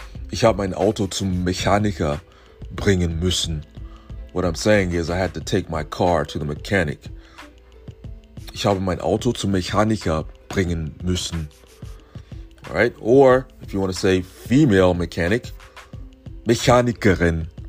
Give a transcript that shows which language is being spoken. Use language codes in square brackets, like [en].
[de] Ich habe mein Auto zum Mechaniker bringen müssen. [en] What I'm saying is I had to take my car to the mechanic. [de] Ich habe mein Auto zum Mechaniker bringen müssen. [en] All right? Or if you want to say female mechanic, Mechanikerin.